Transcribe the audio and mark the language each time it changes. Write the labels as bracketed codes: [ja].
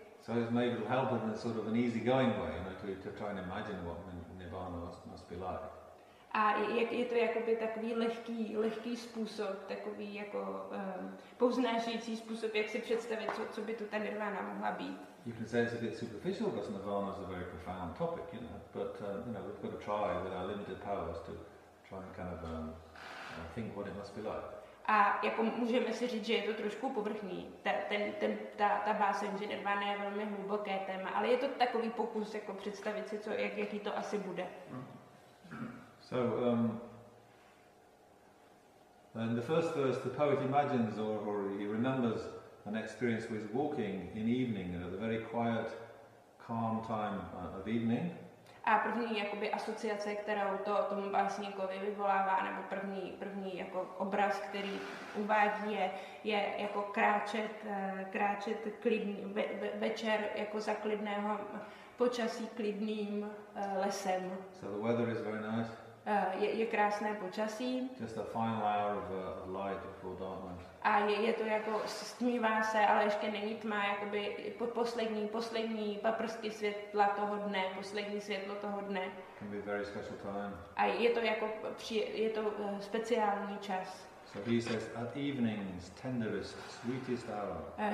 [en] So it may help in a sort of an easy going way, you know, to try and imagine what Nirvana must be like. [cs] A je to jakoby takový lehký způsob, takový jako povznášející způsob, jak si představit, co by tu ta Nirvana mohla být. [en] You can say it's a bit superficial, because Nirvana is a very profound topic, you know, but you know, we've got to try with our limited powers to try and kind of think what it must be like. [cs] A jako můžeme si říct, že je to trošku povrchní, ta báseň, že Nirvana je velmi hluboké téma, ale je to takový pokus jako představit si, jaký to asi bude. [en] So in the first verse the poet imagines or he remembers an experience with walking in evening, you know, the very quiet, calm time of evening. [cs] A první jakoby asociace, kterou to tomu básníkovi vyvolává, nebo první jako obraz, který uvádí, je jako kráčet klidný večer jako za klidného počasí klidným lesem. [en] So the weather is very nice. [cs] Je krásné počasí. [en] Just a final hour of light before darkness. [cs] A je to jako stmívá se, ale ještě není tma, jakoby poslední paprsky světla toho dne, poslední světlo toho dne. [en] Can be a very special time. [cs] A je to jako je to speciální čas. [en] So he says, at evening's tenderest, sweetest hour.